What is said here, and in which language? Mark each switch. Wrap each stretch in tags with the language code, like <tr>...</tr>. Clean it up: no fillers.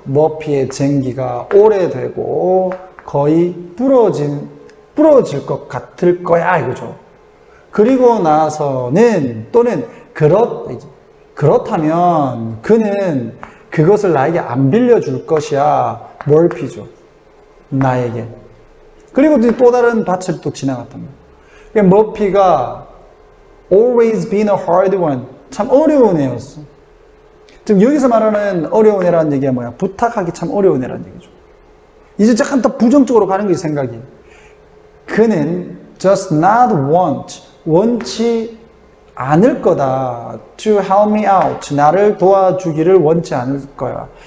<ko>머피의 쟁기가 오래되고 거의 부러질 것 같을 거야, 이거죠. 그리고 나서는, 또는 그렇다면 그는 그것을 나에게 안 빌려줄 것이야. 머피죠. 나에게. 그리고 또 다른 밭을 또 지나갔단 말이야.</ko> <en>머피가 always been a hard one.</en> <ko>참 어려운 애였어. 지금 여기서 말하는 어려운 애라는 얘기가 뭐야? 부탁하기 참 어려운 애라는 얘기죠. 이제 약간 더 부정적으로 가는 거지, 생각이. 그는</ko> <en>just not want,</en> <ko>원치 않을 거다.</ko> <en>To help me out,</en> <ko>나를 도와주기를 원치 않을 거야.</ko>